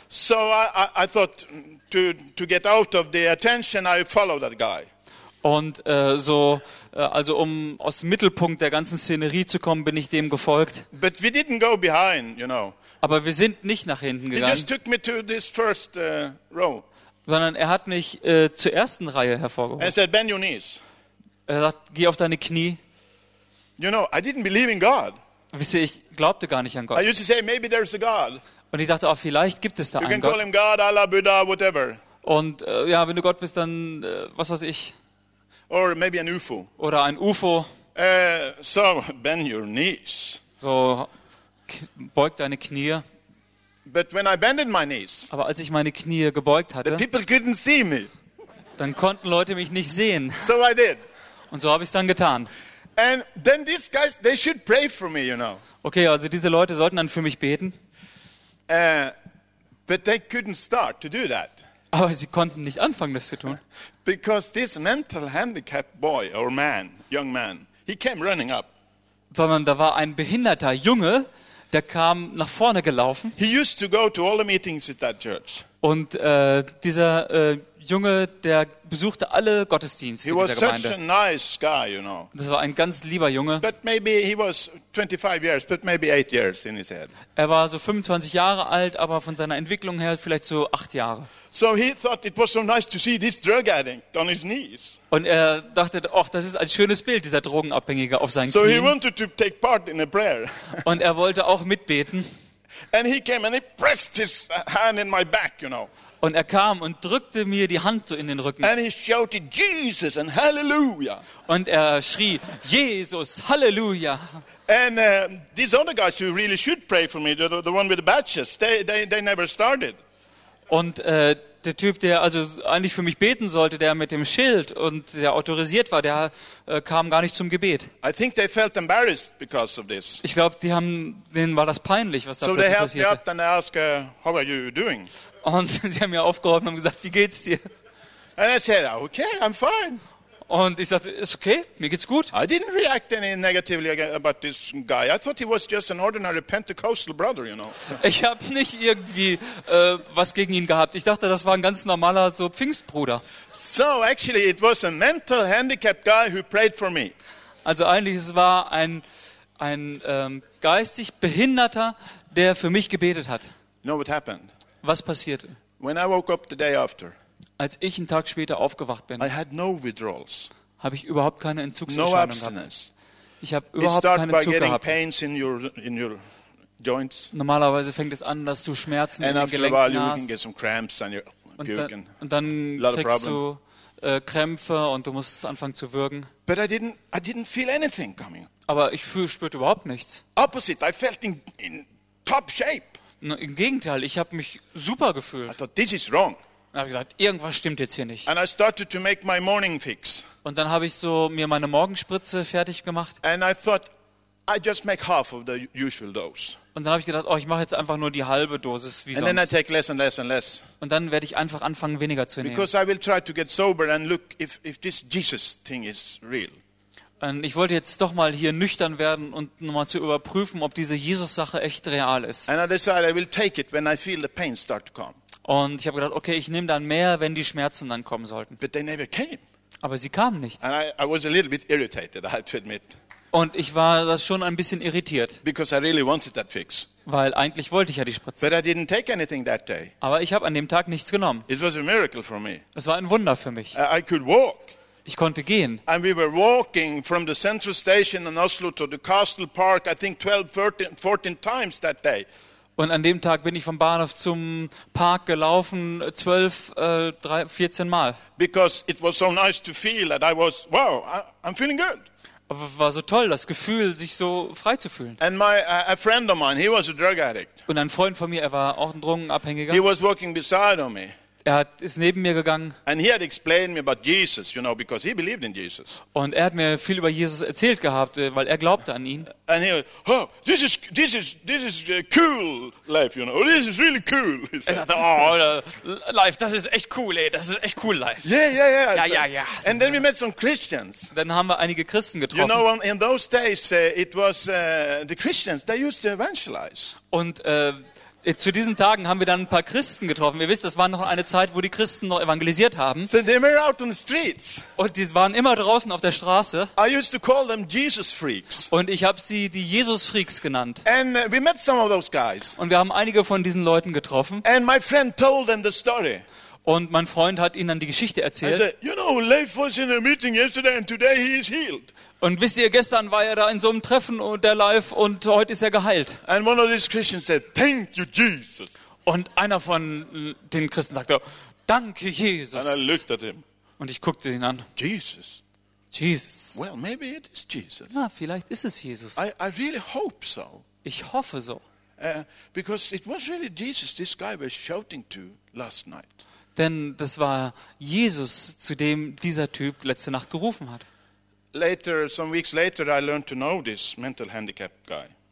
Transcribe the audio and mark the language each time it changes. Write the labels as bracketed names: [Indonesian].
[English] So I thought to get out of the attention, I followed that guy. [German] Und also um aus dem Mittelpunkt der ganzen Szenerie zu kommen, bin ich dem gefolgt. [English] But we didn't go behind, you know. [German] Aber wir sind nicht nach hinten gegangen. [English] He just took me to this first row. [German] Sondern er hat mich zur ersten Reihe hervorgehoben. [English] And said, "Bend your knees." [German] Er sagt, geh auf deine Knie. [English] You know, I didn't believe in God. [German] Wisst ihr, ich glaubte gar nicht an Gott. [English] I used to say, maybe there's a God. [German] Und ich dachte, vielleicht gibt es da [English] you [German] einen [English] can [German] Gott. [English] Call him God, Allah, Buddha, whatever. [German] Und ja, wenn du Gott bist, dann was weiß ich. [English] Or maybe an UFO. [German] Oder ein UFO. [English] So, bend your knees. [German] So, beug deine Knie. [English] But when I bended my knees, [German] aber als ich meine Knie gebeugt hatte, [English] the people couldn't see me. [German] Dann konnten Leute mich nicht sehen. [English] So I did. [German] Und so habe ich es dann getan. [English] And then these guys, they should pray for me, you know. [German] Okay, also diese Leute sollten dann für mich beten. [English] But they couldn't start to do that. [German] Aber sie konnten nicht anfangen, das zu tun. [English] Because this mental handicapped boy or man, young man, he came running up. [German] Sondern da war ein behinderter Junge, der kam nach vorne gelaufen. [English] He used to go to all the meetings at that church. [German] Und dieser Junge, der besuchte alle Gottesdienste in dieser Gemeinde. [English] He was such a nice guy, you know. [German] Das war ein ganz lieber Junge. [English] But maybe he was 25 years, but maybe 8 years in his head. [German] Er war so 25 Jahre alt, aber von seiner Entwicklung her vielleicht so 8 Jahre. [English] So he thought it was so nice to see this drug addict on his knees. [German] Und er dachte, ach, das ist ein schönes Bild, dieser Drogenabhängige auf seinen Knien. [English] So he wanted to take part in a prayer. [German] Und er wollte auch mitbeten. [English] And he came and he pressed his hand in my back, you know. [German] Und er kam und drückte mir die Hand so in den Rücken. [English] And he shouted Jesus and Hallelujah. [German] Und er schrie Jesus, Hallelujah. [English] And these other guys who really should pray for me, the one with the badges, they never started. [German] Und der Typ, der also eigentlich für mich beten sollte, der mit dem Schild und der autorisiert war, der kam gar nicht zum Gebet. [English] I think they felt embarrassed because of this. [German] Ich glaube, denen war das peinlich, was da so plötzlich passierte. [English] So they helped me up and asked, "How are you doing?" [German] Und sie haben mir aufgerufen und gesagt, wie geht's dir? [English] And I said, "Okay, I'm fine." [German] Und ich sagte, ist okay, mir geht's gut. [English] I didn't react any negatively about this guy. I thought he was just an ordinary Pentecostal brother, you know. [German] Ich habe nicht irgendwie was gegen ihn gehabt. Ich dachte, das war ein ganz normaler so Pfingstbruder. [English] So actually it was a mental handicapped guy who prayed for me. [German] Also eigentlich es war ein geistig Behinderter, der für mich gebetet hat. [English] You know what happened? [German] Was passierte? [English] When I woke up the day after, [German] als ich einen Tag später aufgewacht bin, [English] I had no withdrawals, [German] habe ich überhaupt keine Entzugserscheinungen gehabt. Ich habe überhaupt [English] it [German] keine Entzug gehabt. [English] Pains in your joints. [German] Normalerweise fängt es an, dass du Schmerzen [English] and [German] in den Gelenken hast. [English] You can get some cramps and you're [German] und dann kriegst du Krämpfe und du musst anfangen zu würgen. [English] But I didn't feel anything coming. [German] Aber ich spürte überhaupt nichts. [English] Opposite, I felt in top shape. [German] Na, im Gegenteil, ich habe mich super gefühlt. [English] I thought, this is wrong. [German] Dann habe ich gesagt, irgendwas stimmt jetzt hier nicht. [English] And I started to make my morning fix. [German] Und dann habe ich so mir meine Morgenspritze fertig gemacht. [English] And I thought, I just make half of the usual dose. [German] Und dann habe ich gedacht, oh, ich mache jetzt einfach nur die halbe Dosis wie [English] and [German] sonst. [English] Then I take less and less and less. [German] Und dann werde ich einfach anfangen, weniger zu nehmen. [English] Because I will try to get sober and look if this Jesus thing is real. [German] Und ich wollte jetzt doch mal hier nüchtern werden und nochmal zu überprüfen, ob diese Jesus-Sache echt real ist. [English] And I decide I will take it when I feel the pain start to come. [German] Und ich habe gedacht, okay, ich nehme dann mehr, wenn die Schmerzen dann kommen sollten. [English] But they never came. [German] Aber sie kamen nicht. [English] And I was a little bit irritated, I have to admit. [German] Und ich war das schon ein bisschen irritiert. [English] Because I really wanted that fix. [German] Weil eigentlich wollte ich ja die Spritze. [English] But I didn't take anything that day. [German] Aber ich habe an dem Tag nichts genommen. [English] It was a miracle for me. [German] Es war ein Wunder für mich. [English] I could walk. [German] Ich konnte gehen. [English] And we were walking from the central station in Oslo to the Castle Park, I think 12, 13, 14 times that day. [German] Und an dem Tag bin ich vom Bahnhof zum Park gelaufen 14 Mal. [English] Because it was so nice to feel that I was, wow, I'm feeling good. [German] War so toll, das Gefühl, sich so frei zu fühlen. [English] And my a friend of mine, he was a drug addict. [German] Und ein Freund von mir, er war auch ein Drogenabhängiger. [English] He was walking beside me. [German] Er hat ist neben mir gegangen. [English] And he had explained me about Jesus, you know, because he believed in Jesus. [German] Und er hat mir viel über Jesus erzählt gehabt, weil er glaubte an ihn. [English] And he was, oh, this is cool life, you know. Oh, this is really cool. [German] Er sagte, [English] oh, life, [German] das ist echt cool, ey, das ist echt [English] cool life. Yeah. [German] Ja. [English] And then we met some Christians. [German] Dann haben wir einige Christen getroffen. [English] You know, in those days it was the Christians, they used to evangelize. [German] Und zu diesen Tagen haben wir dann ein paar Christen getroffen. Ihr wisst, das war noch eine Zeit, wo die Christen noch evangelisiert haben. [English] So they were out on the streets. [German] Und die waren immer draußen auf der Straße. [English] I used to call them Jesus freaks. [German] Und ich habe sie die Jesus Freaks genannt. [English] And we met some of those guys. [German] Und wir haben einige von diesen Leuten getroffen. [English] And my friend told them the story. [German] Und mein Freund hat ihnen dann die Geschichte erzählt. [English] I said, you know, Leif was in a meeting yesterday and today he is healed. [German] Und wisst ihr, gestern war er da in so einem Treffen und der Leif und heute ist er geheilt. [English] And one of these Christians said, thank you, Jesus. [German] Und einer von den Christen sagte, danke, Jesus. [English] And I looked at him. [German] Und ich guckte ihn an. [English] Jesus. Well, maybe it is Jesus. [German] Na, vielleicht ist es Jesus. [English] I really hope so. [German] Ich hoffe so. [English] Because it was really Jesus this guy was shouting to last night. [German] Denn das war Jesus, zu dem dieser Typ letzte Nacht gerufen hat. [English] Later, some weeks later, I learned to know this mental handicapped guy.